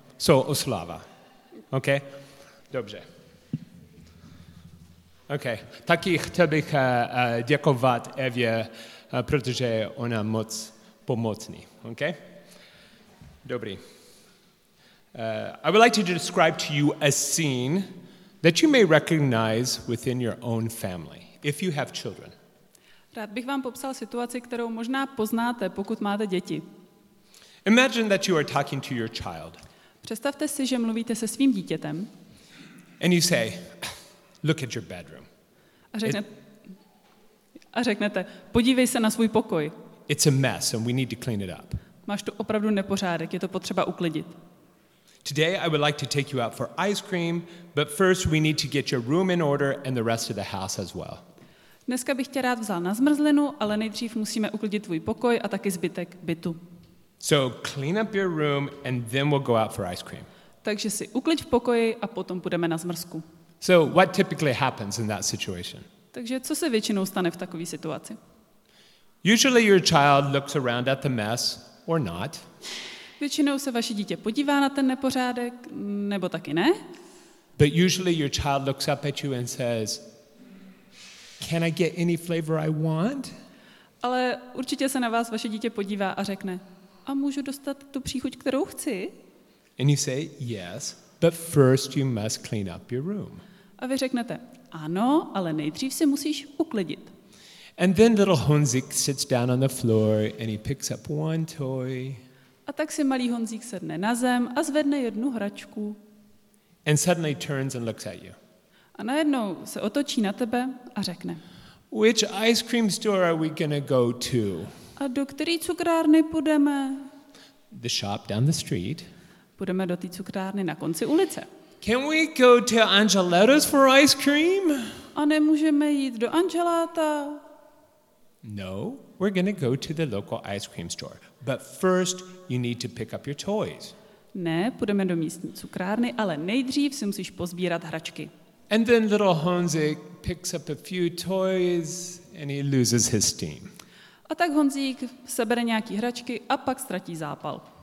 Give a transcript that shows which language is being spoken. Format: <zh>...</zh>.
<cs>Jsou oslava, ok? Dobře. Ok, taky chtěl bych děkovat Evě, protože ona moc pomocný, ok? Dobrý.</cs> <en>I would like to describe to you a scene that you may recognize within your own family, if you have children.</en> <cs>Rád bych vám popsal situaci, kterou možná poznáte, pokud máte děti.</cs> <en>Imagine that you are talking to your child.</en> <cs>Představte si, že mluvíte se svým dítětem.</cs> <en>And you say, look at your bedroom.</en> <cs>A řeknete, podívej se na svůj pokoj.</cs> <en>It's a mess and we need to clean it up.</en> <cs>Máš tu opravdu nepořádek, je to potřeba uklidit.</cs> <en>Today I would like to take you out for ice cream, but first we need to get your room in order and the rest of the house as well.</en> <cs>Dneska bych tě rád vzal na zmrzlinu, ale nejdřív musíme uklidit tvůj pokoj a taky zbytek bytu.</cs> <en>So clean up your room and then we'll go out for ice cream.</en> <cs>Takže si uklid v pokoji a potom půjdeme na zmrzku.</cs> <en>So what typically happens in that situation?</en> <cs>Takže co se většinou stane v takové situaci?</cs> <en>Usually your child looks around at the mess or not.</en> <cs>Většinou se vaše dítě podívá na ten nepořádek, nebo taky ne.</cs> <en>But usually your child looks up at you and says, can I get any flavor I want?</en> <cs>Ale určitě se na vás vaše dítě podívá a řekne, a můžu dostat tu příchuť, kterou chci?</cs> <en>And you say, yes, but first you must clean up your room.</en> <cs>A vy řeknete, ano, ale nejdřív si musíš uklidit.</cs> <en>And then little Honzik sits down on the floor and he picks up one toy.</en> <cs>A tak si malý Honzík sedne na zem a zvedne jednu hračku.</cs> <en>And suddenly turns and looks at you.</en> <cs>A najednou se otočí na tebe a řekne.</cs> <en>Which ice cream store are we gonna go to?</en> <cs>A do který cukrárny půjdeme?</cs> <en>The shop down the street.</en> <cs>Půjdeme do té cukrárny na konci ulice.</cs> <en>Can we go to Angeletta's for ice cream?</en> <cs>A nemůžeme jít do Angeláta?</cs> <en>No, we're gonna go to the local ice cream store. But first you need to pick up your toys.</en> <cs>Ne, půjdeme do místní cukrárny, ale nejdřív si musíš pozbírat hračky.</cs> <en>And then little Honzik picks up a few toys and he loses his steam.</en> <cs>A tak Honzík sebere nějaký hračky a pak ztratí zápal.</cs>